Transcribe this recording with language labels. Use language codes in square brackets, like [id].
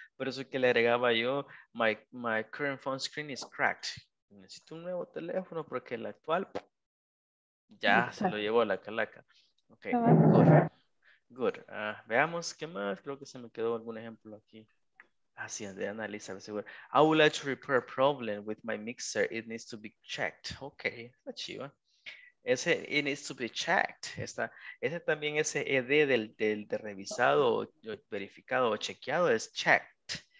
[es] Por eso es que le agregaba yo, [en] my current phone screen is cracked. [es] Necesito un nuevo teléfono porque el actual ya se lo llevó a la calaca. Ok, good. Veamos qué más, creo que se me quedó algún ejemplo aquí. Así es, de analizar, seguro. [en] I would like to repair a problem with my mixer. It needs to be checked. [es] Ok, está chiva. Ese, [en] it needs to be checked. [es] Ese también, ese ED de revisado, verificado o chequeado es checked.